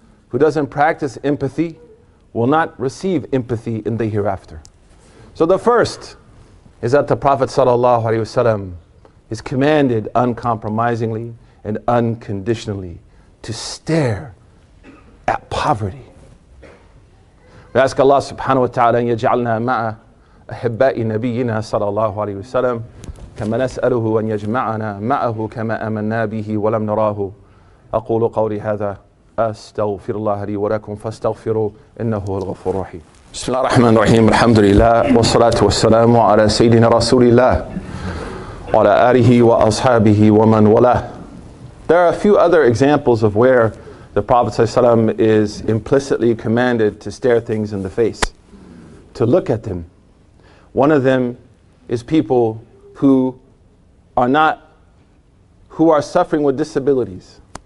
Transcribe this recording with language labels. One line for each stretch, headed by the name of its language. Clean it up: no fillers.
English: Who doesn't practice empathy will not receive empathy in the hereafter. So the first is that the Prophet ﷺ is commanded uncompromisingly and unconditionally to stare at poverty. We ask Allah subhanahu wa ta'ala
Arabic: أن يجعلنا مع أحباء نبينا صلى الله عليه وسلم كما نسأله أن يجمعنا معه كما أمنا به ولم نراه. أقول قولي هذا أستغفر الله لي ولكم فاستغفروا إنه هو الغفور الرحيم. بسم الله الرحمن الرحيم. الحمد لله والصلاة والسلام على سيدنا رسول الله وعلى آله وأصحابه ومن والاه.
English: There are a few other examples of where the Prophet ﷺ is implicitly commanded to stare things in the face, to look at them. One of them is people who are suffering with disabilities.